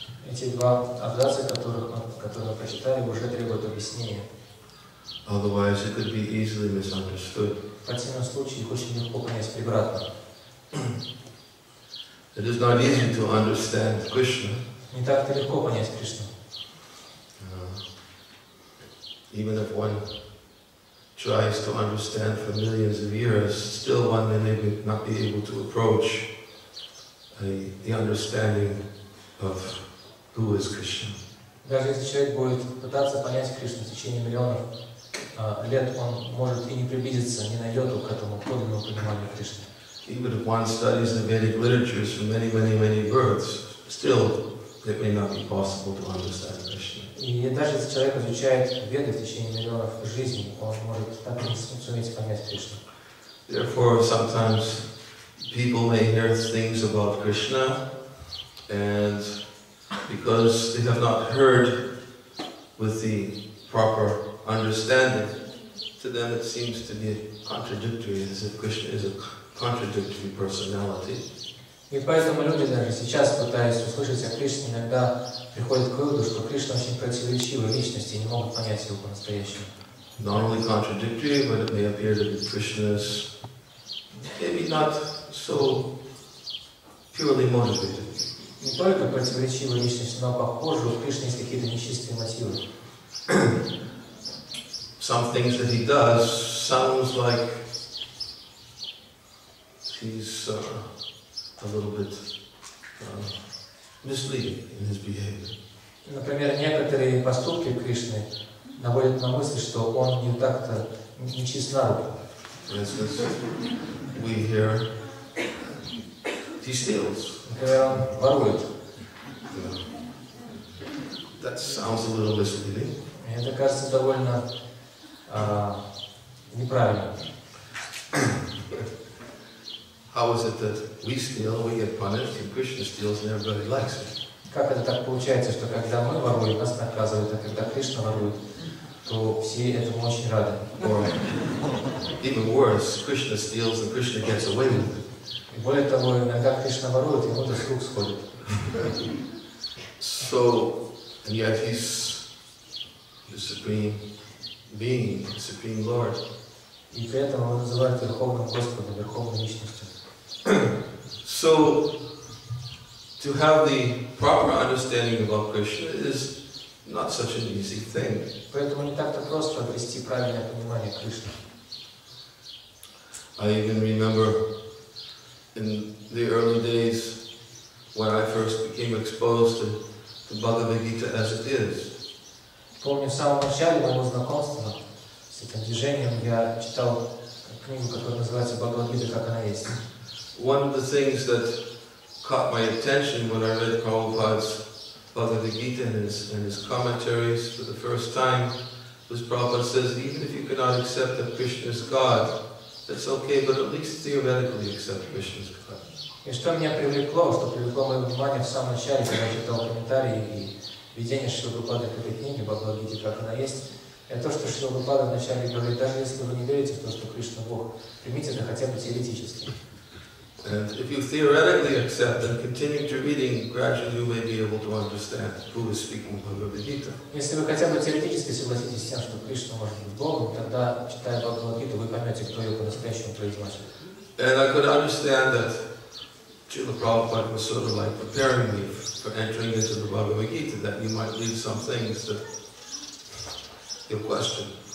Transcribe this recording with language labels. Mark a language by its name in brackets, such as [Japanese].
[Russian] Эти два абзаца, которые мы прочитали, уже требуют объяснения. [English] Otherwise, it could be easily misunderstood. [Russian] В противном случае, их очень легко понять превратно. [English] It is not easy to understand Krishna. [Russian] Не так-то легко понять Кришну. [English] Even if one tries to understand for millions of years, still one may maybe not be able to approach the understanding of who is Krishna. [Russian] Даже если человек будет пытаться понять Кришну в течение миллионов лет, он может и не приблизиться, не найдет к этому подлинному пониманию Кришны. [English] Even if one studies the Vedic literatures from many, many, many births, still it may not be possible to understand Krishna. [Russian] И даже если человек изучает Веды в течение миллионов жизней, он может так и не суметь понять Кришну. [English] Therefore, sometimes people may hear things about Krishna, and because they have not heard with the proper understanding, to them it seems to be contradictory, as if Krishna is a contradictory personality. [Russian] И поэтому люди даже сейчас, пытаясь услышать о Кришне, иногда приходят к выводу, что Кришна очень противоречивая личность и не могут понять его по-настоящему. [English] Not only contradictory, but it may appear that Krishna is maybe not so purely motivated. [Russian] Не только противоречивая личность, но похоже, у Кришны есть какие-то нечистые мотивы. [English] Some things that he does sounds like he's a little bit misleading in his behavior. [Russian] Например, некоторые поступки Кришны наводят на мысль, что он не так-то нечестен. [English] For instance, we be here. He steals. [Russian] Ворует. [English] That sounds a little misleading. [Russian] Это кажется довольно неправильно. [English] How is it that we steal, we get punished, and Krishna steals and everybody likes it? [Russian] Как это так получается, что когда мы воруем, нас наказывают, а когда Кришна ворует, то все этому очень рады? [English] Even worse, Krishna steals and Krishna gets away with it. [Russian] И более того, иногда Кришна ворует, ему это с рук сходит. [English] So, and yet he's the supreme being, the supreme Lord. [Russian] И при этом его называют Верховным Господом, Верховной Личностью. [English] So, to have the proper understanding about Krishna is not such an easy thing. [Russian] Поэтому не так-то просто обрести правильное понимание Кришны. [English] I even remember in the early days when I first became exposed to the Bhagavad Gita as it is. [Russian] Помню, в самом начале моего знакомства с этим движением я читал книгу, которая называется «Бхагавад Гита, как она есть». [English] One of the things that caught my attention when I read Prabhupada's Bhagavad Gita and his commentaries for the first time was Prabhupada says, even if you cannot accept that Krishna is God, that's okay, but at least theoretically accept Krishna is God. [Russian] И что меня привлекло, что привлекло мое внимание в самом начале, когда я читал комментарии и видение Шрилы Прабхупады к этой книге «Бхагавад Гита, как она есть», это то, что Шрила Прабхупада вначале говорит, даже если вы не верите в то, что Кришна Бог, примите это хотя бы теоретически. [English] And if you theoretically accept and continue your reading, gradually you may be able to understand who is speaking Bhagavad Gita. [Russian] Если вы хотя бы теоретически согласитесь с тем, что Кришна может быть Богом, тогда, читая Бхагавад Гиту, вы поймете, кто ее по-настоящему произносит. [English] And I could understand that Srila Prabhupada was sort of like preparing me for entering into the Bhagavad Gita, that you might read some things that you'll question.